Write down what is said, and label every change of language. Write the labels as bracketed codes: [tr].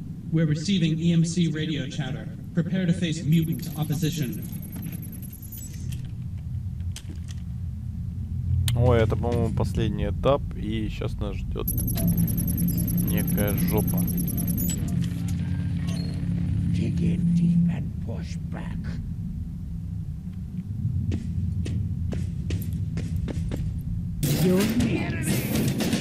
[en] We're receiving EMC radio chatter. Prepare to face mutant opposition. [ru] Ой, это, по-моему, последний этап, и сейчас нас ждет некая жопа. [en] Dig in deep and push back.